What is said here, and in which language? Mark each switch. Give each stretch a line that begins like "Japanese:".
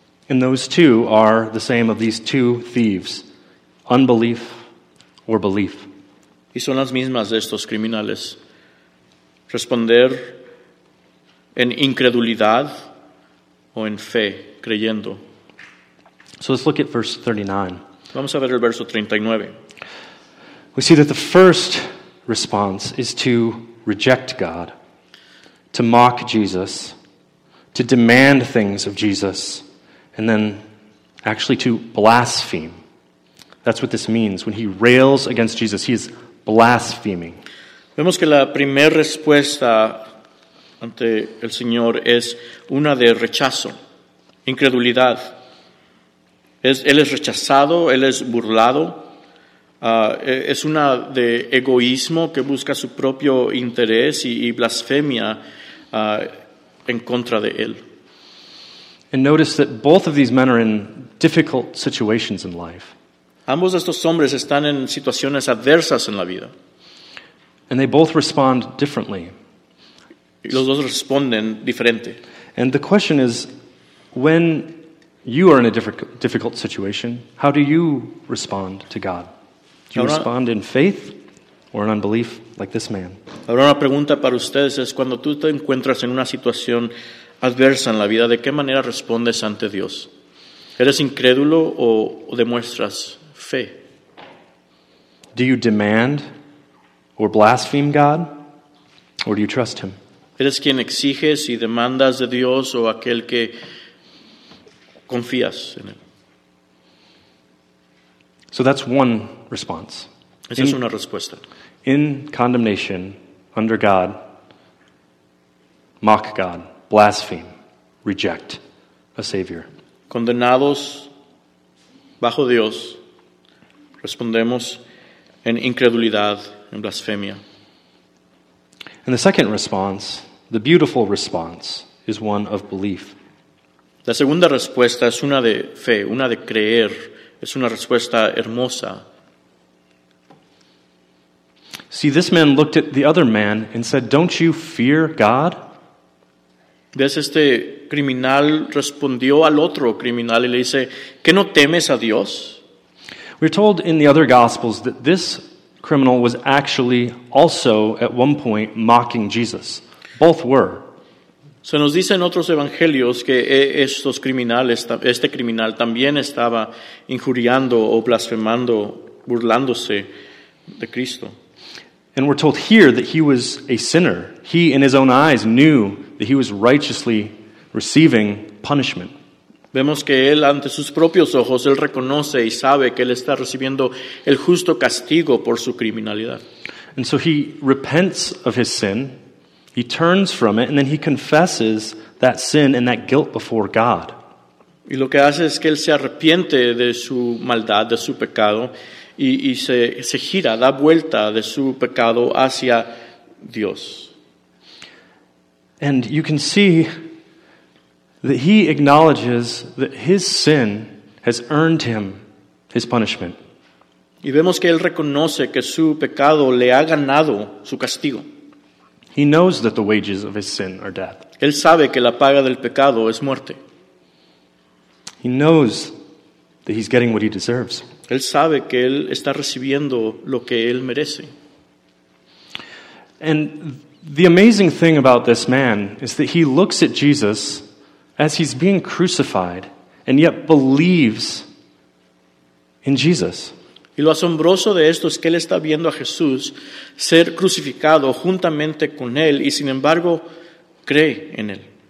English: And those two are the same of these two thieves, unbelief or belief.
Spanish: Y son las mismas de estos criminales, responder en incredulidad o en fe, creyendo.
English: So let's look at verse 39.
Spanish: Vamos a ver el verso 39.
English: We see that the first response is to reject God, to mock Jesus, to demand things of Jesus, and then actually to blaspheme. That's what this means. When he rails against Jesus, he is blaspheming.
Spanish: Vemos que la primera respuesta ante el Señor es una de rechazo, incredulidad. Él es rechazado, él es burlado. Es una de egoísmo que busca su propio interés y blasfemia en contra de él.
English: And notice that both of these men are in difficult situations in life.
Spanish: Ambos de estos hombres están en situaciones adversas en la vida.
English: And they both respond differently.
Spanish: Y los dos responden diferente.
English: And the question is, when you are in a difficult situation, how do you respond to God? Do you respond in faith or in unbelief, like this man?
Spanish: Ahora una pregunta para ustedes es, cuando tú te encuentras en una situación adversa en la vida, ¿de qué manera respondes ante Dios? ¿Eres incrédulo o demuestras fe?
English: Do you demand or blaspheme God, or do you trust him?
Spanish: ¿Eres quien exiges y demandas de Dios o aquel que confías en él?
English: So that's one response.
Spanish: Esa es una respuesta.
English: In condemnation, under God, mock God, blaspheme, reject a Savior.
Spanish: Condenados bajo Dios, respondemos en incredulidad, en blasfemia.
English: And the second response, the beautiful response, is one of belief.
Spanish: La segunda respuesta es una de fe, una de creer. Es una respuesta hermosa.
English: See, this man looked at the other man and said, "Don't you fear God?"
Spanish: ¿Ves? Este criminal respondió al otro criminal y le dice, ¿qué no temes a Dios?
English: We're told in the other Gospels that this criminal was actually also at one point mocking Jesus. Both were.
Spanish: Se nos dice en otros evangelios que estos criminales, este criminal también estaba injuriando o blasfemando, burlándose de Cristo.
English: And we're told here that he was a sinner. He, in his own eyes, knew that he was righteously receiving punishment.
Spanish: Vemos que él, ante sus propios ojos, él reconoce y sabe que él está recibiendo el justo castigo por su criminalidad.
English: And so he repents of his sin. He turns from it, and then he confesses that sin and that guilt before God.
Spanish: Y lo que hace es que él se arrepiente de su maldad, de su pecado, y se gira, da vuelta de su pecado hacia Dios.
English: And you can see that he acknowledges that his sin has earned him his punishment.
Spanish: Y vemos que él reconoce que su pecado le ha ganado su castigo.
English: He knows that the wages of his sin are death.
Spanish: Él sabe que la paga del pecado es muerte.
English: He knows that he's getting what he deserves.
Spanish: Él sabe que él está recibiendo lo que él merece.
English: And the amazing thing about this man is that he looks at Jesus as he's being crucified and yet believes in Jesus.
Spanish: Y lo asombroso de esto es que él está viendo a Jesús ser crucificado juntamente con él y sin embargo cree en él.